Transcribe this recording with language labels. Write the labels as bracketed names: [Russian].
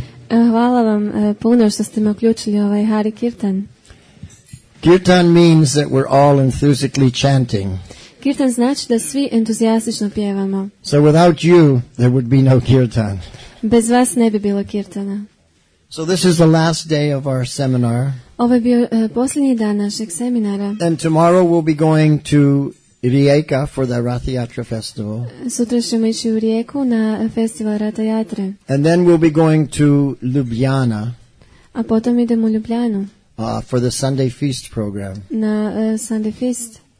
[Croatian] Hvala vam puno što ste me uključili u ovaj Hari Kirtan. [English] Kirtan means that we're all enthusiastically chanting. [Croatian] Kirtan znači da svi entuzijastično pjevamo. [English] So without you, there would be no kirtan. [Croatian] Bez vas ne bi bilo kirtana. [English] So this is the last day of our seminar. [Croatian] Ovo je bio posljednji dan našeg seminara. [English] And tomorrow we'll be going to Rijeka for the Rathiatra festival. [Croatian] Sutra ćemo ići u Rijeku na festival Rathiatre. [English] And then we'll be going to Ljubljana. [Croatian] A potom idemo u Ljubljanu. [English] For the Sunday Feast program. [Croatian] Na Sunday Feast.